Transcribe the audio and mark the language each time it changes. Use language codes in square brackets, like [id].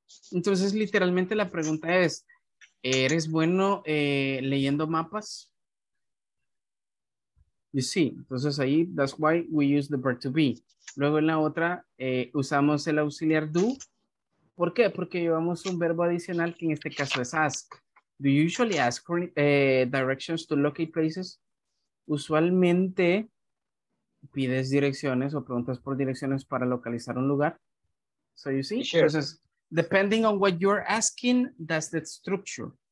[es] Entonces, literalmente la pregunta es, ¿eres bueno leyendo mapas? [en] You see, [es] entonces ahí, [en] that's why we use the verb to be. [es] Luego en la otra, usamos el auxiliar do. ¿Por qué? Porque llevamos un verbo adicional que en este caso es ask. [en] Do you usually ask for directions to locate places? [es] Usualmente pides direcciones o preguntas por direcciones para localizar un lugar. [en] So you see, sure. [es] Entonces, [en] depending on what you're asking, that's the structure.